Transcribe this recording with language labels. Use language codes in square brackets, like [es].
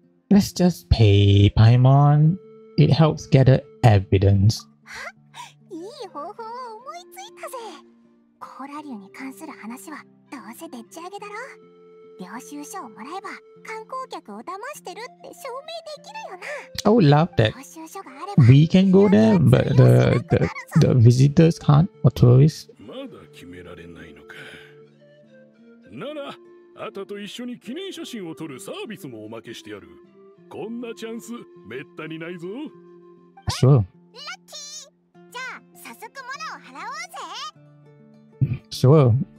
[en] Let's just pay Paimon. It helps gather evidence. [ja] いい方法を思いついたぜ。コーラ竜に関する話はどうせでっち上げだろ。領収書をもらえば観光客を騙してるって証明できるよな。 [en] I would love that. We can go there, but the visitors can't, or tourists. [ja] 決められないのか。なら、アタと一緒に記念写真を撮るサービスもおまけしてやる。こんなチャンス、めったにないぞ。そう。ラッキー。じゃあ、早速モラを払おうぜ。そう。